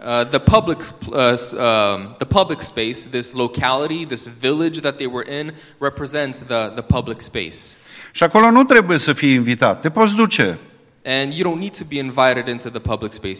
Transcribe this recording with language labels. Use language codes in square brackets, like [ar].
[en] The public space, this locality, this village that they were in, represents the public space. [ro] Și acolo nu trebuie să fii invitat, te poți duce. [en] And you don't need to be invited into the public space.